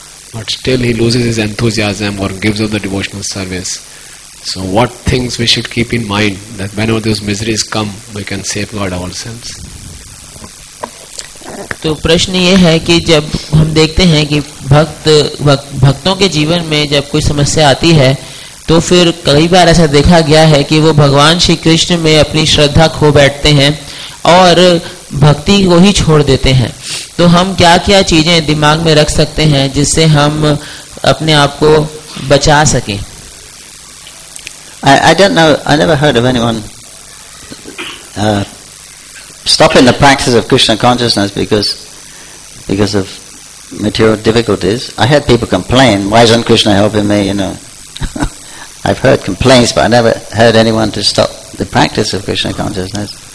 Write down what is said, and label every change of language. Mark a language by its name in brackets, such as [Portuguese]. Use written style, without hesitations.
[English] But still he loses his enthusiasm or gives up the devotional service. So what things we should keep in mind that whenever those miseries come, we can safeguard ourselves? [Hindi] तो प्रश्न ये है कि जब हम देखते हैं कि भक्त भक्तों के जीवन में जब कोई समस्या आती है तो फिर कई बार ऐसा देखा गया है कि वो भगवान श्री कृष्ण में अपनी श्रद्धा खो बैठते हैं और भक्ति को ही छोड़ देते हैं. तो हम क्या क्या चीजें दिमाग में रख सकते हैं जिससे हम अपने आप को बचा सकें? [English] I don't know, I never heard of anyone stopping the practice of Krishna consciousness because of material difficulties. I heard people complain, why isn't Krishna helping me, you know. I've heard complaints, but I never heard anyone to stop the practice of Krishna consciousness.